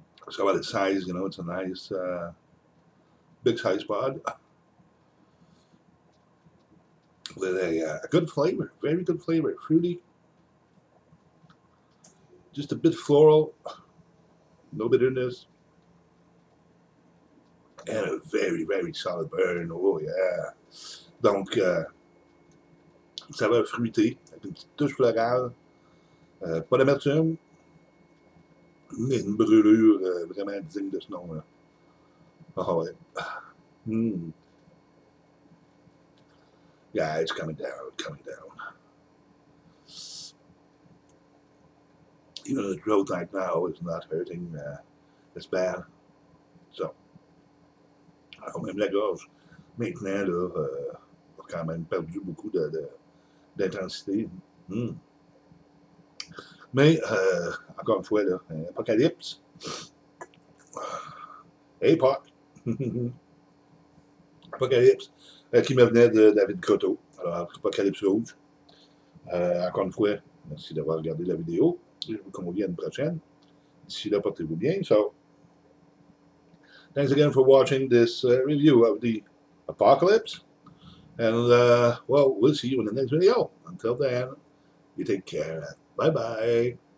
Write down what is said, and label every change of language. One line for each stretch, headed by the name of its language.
English: So about its size, you know, it's a nice, big size pod with a good flavor, very good flavor, fruity, just a bit floral, no bitterness, and a very, very solid burn. Oh yeah.
French: Donc, saveur fruitée, avec une petite touche florale, pas d'amertume, mais une brûlure vraiment digne de ce nom-là. Oh ouais.
English: Yeah, it's coming down, coming down. Even the throat right now is not hurting as bad.
French: So, même la gorge, maintenant, là, quand même perdu beaucoup d'intensité. Mais, encore une fois, là, apocalypse.
English: Hey, Pac!
French: Apocalypse, qui me venait de David Croteau. Alors, Apocalypse rouge. Encore une fois, merci d'avoir regardé la vidéo. Je vous convie à une prochaine. D'ici là, portez-vous bien.
English: So, thanks again for watching this review of the Apocalypse. And, well, we'll see you in the next video. Until then, you take care. Bye-bye.